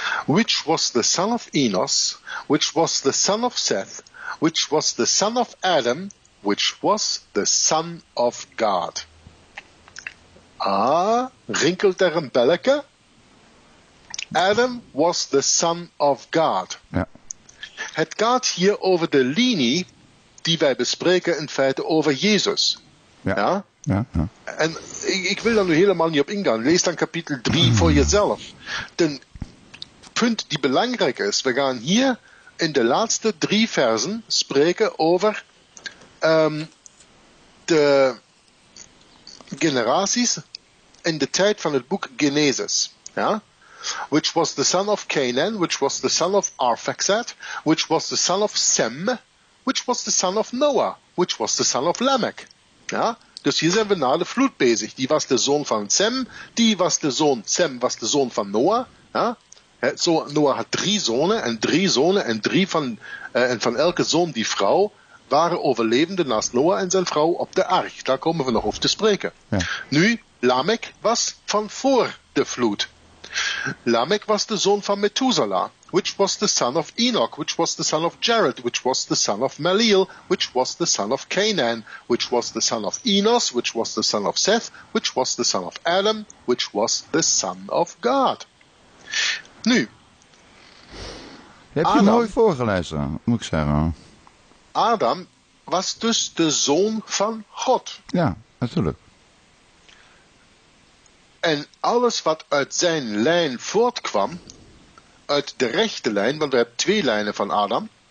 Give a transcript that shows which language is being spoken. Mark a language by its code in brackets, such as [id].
[en] Which was the son of Enos, which was the son of Seth, which was the son of Adam, which was the son of God. [nl] Rinkelt er een belletje? [en] Adam was the son of God. [nl] Ja. Het gaat hier over de linie die wij bespreken in feite over Jezus. En ik wil daar nu helemaal niet op ingaan. Lees dan kapitel 3 voor jezelf. Den punt die belangrijk is, we gaan hier in de laatste 3 versen spreken over de generaties in de tijd van het boek Genesis. Ja? [en] Which was the son of Canaan, which was the son of Arphaxad, which was the son of Sem, which was the son of Noah, which was the son of Lamech. [nl] Ja? Dus hier zijn we na de vloed bezig. Die was de zoon van Sem. Sem was de zoon van Noah. Ja? [en] So, Noah had 3 zonen. [nl] En 3 zonen en 3 van, en van elke zoon die vrouw waren overlevenden naast Noah en zijn vrouw op de ark. Daar komen we nog over te spreken. Ja. Nu, Lamech was van voor de vloed. Lamech was de zoon van Methuselah, [en] which was the son of Enoch, which was the son of Jared, which was the son of Melil, which was the son of Canaan, which was the son of Enos, which was the son of Seth, which was the son of Adam, which was the son of God. [nl] Nu. Heb je Adam, nooit voorgelezen, moet ik zeggen. Adam was dus de zoon van God. Ja, natuurlijk. En alles wat uit zijn lijn voortkwam, uit de rechte lijn, want we hebben 2 lijnen van Adam.